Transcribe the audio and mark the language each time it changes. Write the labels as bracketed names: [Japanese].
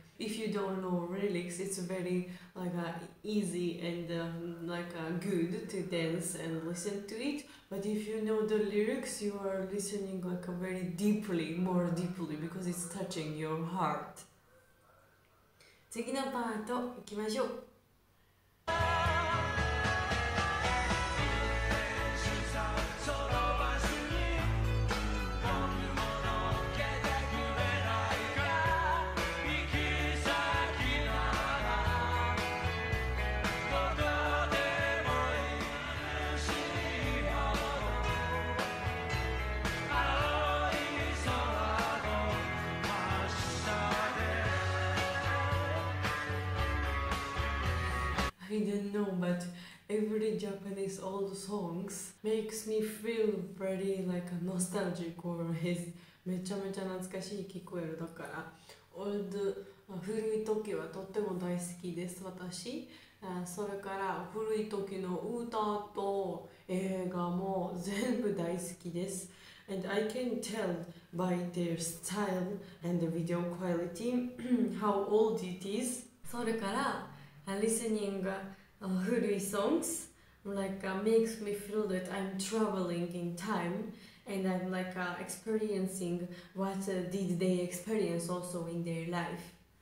[English] If you don't know lyrics, it's very like easy and like good to dance and listen to it. But if you know the lyrics, you are listening like very deeply, more deeply, because it's touching your heart. [Japanese] 次のパート行きましょう。 [English] But every Japanese old songs makes me feel very like nostalgic or is [Japanese] めちゃめちゃ懐かしい聞こえる。だから old 古い時はとっても大好きです。私それから古い時の歌と映画も全部大好きです。 [English] And I can tell by their style and the video quality how old it is. [Japanese] それから [English] listening Hoodie songs like makes me feel that I'm traveling in time and I'm like experiencing what did they experience also in their life.